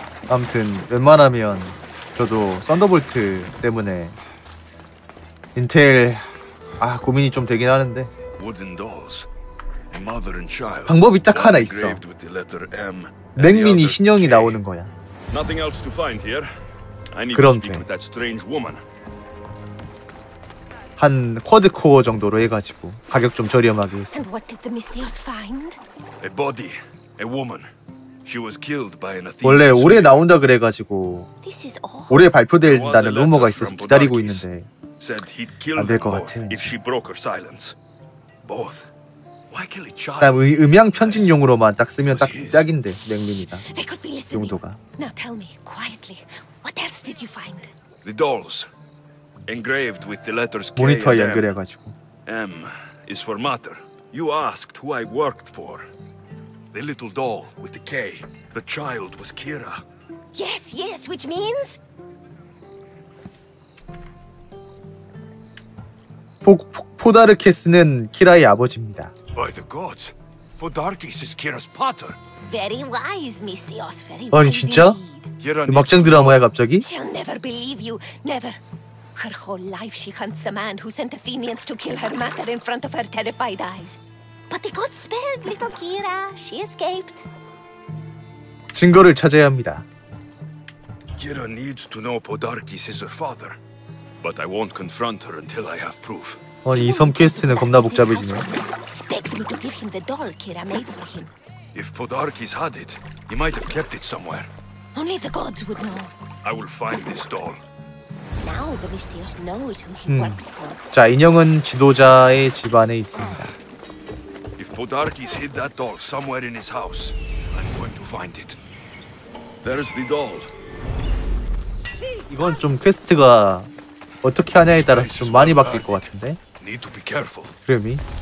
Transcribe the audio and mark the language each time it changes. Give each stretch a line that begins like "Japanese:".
Korean: Amtun, 웬만하면 저도 썬더볼트 때문에 인텔 아 고민이 좀 되긴 하는데.
English: Wooden dolls. A mother and child.
Korean: 방법이 딱 하나 있어. 맥미니 신형이 나오는 거야.
English: Nothing else to find here. I need to speak with that strange woman.
Korean: 한 쿼드코어 정도로 해가지고 가격 좀 저렴하게 했어.
English: And what did the Mystios find? A body, a woman. She was killed by an Athenian.
Korean: 원래 올해 나온다 그래가지고 올해 발표된다는 루머가 있어서 기다리고 있는데 안 될 것 같아.
English: If she broke her silence, both.
Korean: 그다음 음향 편집용으로만 딱 쓰면 딱 딱인데 맥민이가 용도가.
English: Now tell me quietly, what else did you find? The dolls, engraved with the letters K.
Korean: 모니터 연결해가지고.
English: M is for mother. You asked who I worked for. The little doll with the K. The child was Kira. Yes, yes, which means?
Korean: 포다르케스는 키라의 아버지입니다.
English: By the gods, Podarkis is Kira's father. Very wise, Mystios. Very wise.
Korean: 아니 진짜? 막장 드라마야 갑자기?
English: She'll never believe you. Never. Her whole life she hunts the man who sent Athenians to kill her mother in front of her terrified eyes. But the gods spared little Kira. She escaped.
Korean: 증거를 찾아야 합니다.
English: Bagheera needs to know Podarkis is her father. But I won't confront her until I have proof.
Korean: 아니, 이 섬 퀘스트는 겁나 복잡해지네.
English: Begged me to give him the doll Kira made for him. If Podarkis had it, he might have kept it somewhere. Only the gods would know. I will find this doll. Now the mysterious knows who he works for.
Korean: 자, 인형은 지도자의 집 안에 있습니다.
English: If Podarkis hid that doll somewhere in his house, I'm going to find it. There's the doll.
Korean: 이건 좀 퀘스트가 어떻게 하냐에 따라 좀 많이 바뀔 것 같은데.
English: Need to be careful.
Korean: 그럼이.